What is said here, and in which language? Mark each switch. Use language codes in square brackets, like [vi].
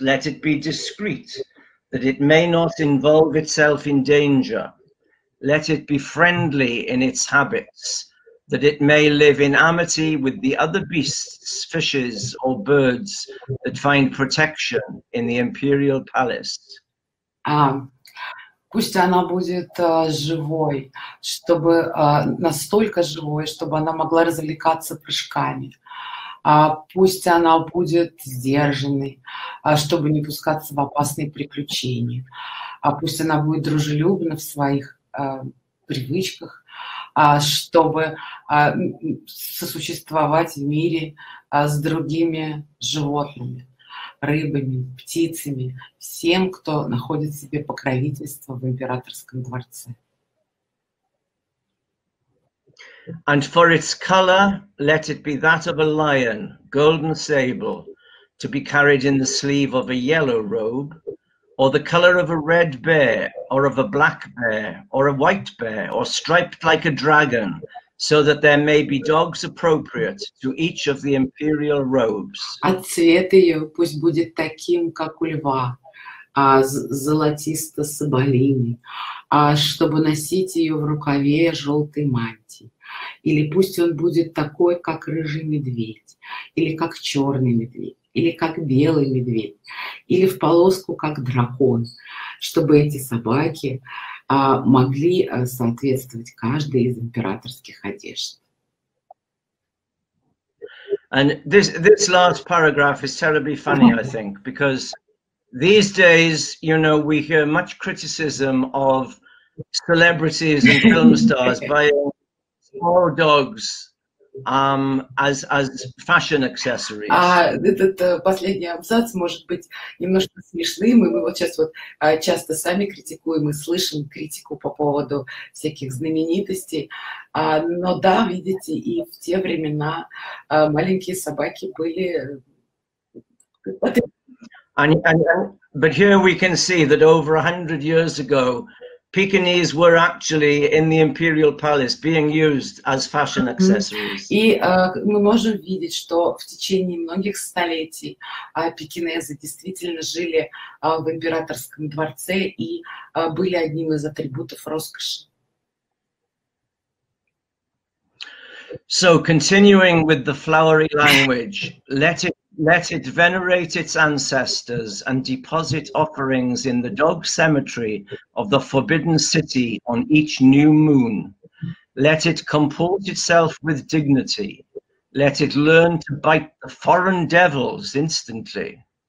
[en] Let it be discreet, that it may not involve itself in danger. Let it be friendly in its habits, that it may live in amity with the other beasts, fishes, or birds that find protection in the imperial palace. [ru] Пусть она будет живой, чтобы настолько живой, чтобы она могла развлекаться прыжками. Пусть она будет сдержанной, чтобы не пускаться в опасные приключения. Пусть она будет дружелюбна в своих привычках, чтобы сосуществовать в мире с другими животными, рыбами, птицами, всем, кто находит себе покровительство в императорском дворце. [en] And for its color, let it be that of a lion, golden sable, to be carried in the sleeve of a yellow robe, or the color of a red bear, or of a black bear, or a white bear, or striped like a dragon, so that there may be dogs appropriate to each of the imperial robes. [ru] А цвет ее пусть будет таким, как у льва, золотисто-соболиный, чтобы носить ее в рукаве желтой мантии. Или пусть он будет такой, как рыжий медведь, или как черный медведь, или как белый медведь, или в полоску, как дракон, чтобы эти собаки могли соответствовать каждой из императорских одежд. [en] And this last paragraph is terribly funny, I think, because these days, you know, we hear much criticism of celebrities and film stars by small dogs as fashion accessories. [ru] Этот последний абзац может быть немножко смешным, и мы вот сейчас вот часто сами критикуем и слышим критику по поводу всяких знаменитостей. Но да, видите, и в те времена маленькие собаки были. [en] But here we can see that over 100 years ago, Pekinese were actually in the imperial palace being used as fashion accessories. [ru] И мы можем видеть, что в течение многих столетий пекинезы действительно жили в императорском дворце и были одним из атрибутов роскоши. [en] So continuing with the flowery language, let it venerate its ancestors and deposit offerings in the dog cemetery of the forbidden city on each new moon. Let it comport itself with dignity. Let it learn to bite the foreign devils instantly.